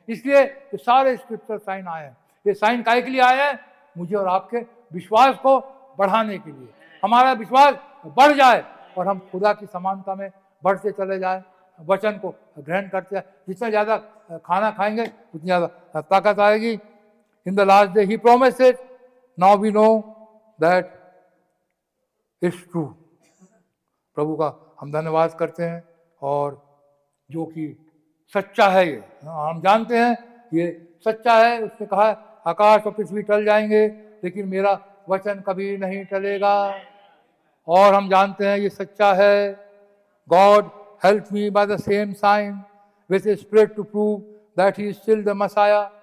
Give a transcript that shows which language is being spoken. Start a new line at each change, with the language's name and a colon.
Hindi: इसलिए ये सारे स्क्रिप्चुरल साइन आए हैं, ये साइन काहे के लिए आए हैं, मुझे और आपके विश्वास को बढ़ाने के लिए, हमारा विश्वास बढ़ जाए और हम खुदा की समानता में बढ़ते चले जाए, वचन को ग्रहण करते जाए। जितना ज़्यादा खाना खाएंगे उतनी ज़्यादा ताकत आएगी।
English: in the last day. He promised it. Now we know that it's true.
Hindi: प्रभु का हम धन्यवाद करते हैं और जो कि सच्चा है ये हम जानते हैं ये सच्चा है. उसने कहा आकाश और पृथ्वी टल जाएंगे लेकिन मेरा वचन कभी नहीं टलेगा. और हम जानते हैं ये सच्चा है.
English: God help me by the same sign with his spirit to prove that he is still the messiah.